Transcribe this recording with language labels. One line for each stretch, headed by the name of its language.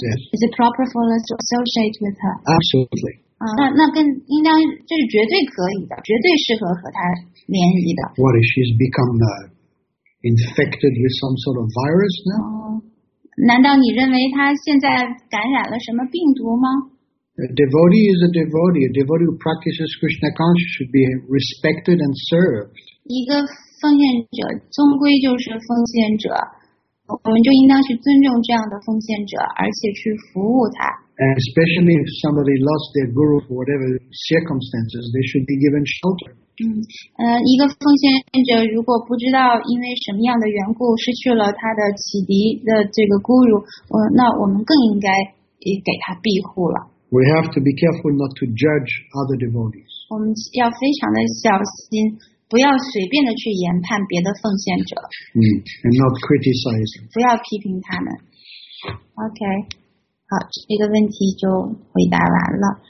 English: Yes. Is it proper for us to associate with her? Absolutely.
Chinese: 那跟应当这是绝对可以的，绝对适合和他联谊的。
English: What is she's become infected with some sort of virus now?
Chinese: 难道你认为他现在感染了什么病毒吗
English: ？A devotee is a devotee. A devotee who practices Krishna consciousness should be respected and served.
Chinese: 一个奉献者终归就是奉献者，我们就应当去尊重这样的奉献者，而且去服务他。
English: And especially if somebody lost their guru for whatever circumstances, they should be given shelter.
Chinese: 一个奉献者如果不知道因为什么样的缘故失去了他的启迪的这个 guru, 那我们更应该给他庇护了。
English: We have to be careful not to judge other devotees.
Chinese: 我们要非常的小心，不要随便的去研判别的奉献者。
English: And not criticize.
Chinese: 不要批评他们。
English: Okay.
Chinese: 好，这个问题就回答完了。